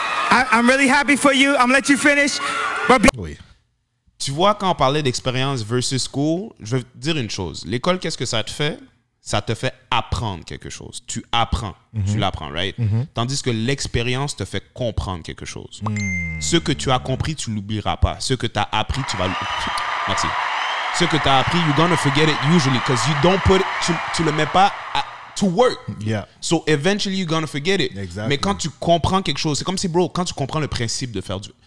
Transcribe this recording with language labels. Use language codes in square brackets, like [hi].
[en] I'm really happy for you. I'm gonna let you finish. [fr] Oui. Tu vois, quand on parlait d'expérience [en] versus school, [fr] je veux dire une chose. L'école, qu'est-ce que ça te fait? Ça te fait apprendre quelque chose. Tu apprends. Mm-hmm. Tu l'apprends, [en] right? [fr] Mm-hmm. Tandis que l'expérience te fait comprendre quelque chose. Mm. Ce que tu as compris, tu ne l'oublieras pas. Ce que tu as appris, tu vas l'oublier. Merci. Ce que tu as appris, [en] you're gonna forget it usually because you don't put it, [fr] tu le mets pas à, [en] to work. Yeah. So eventually, you're gonna forget it. Exactly. [fr] Mais quand tu comprends quelque chose, c'est comme si, bro, quand tu comprends le principe de faire du...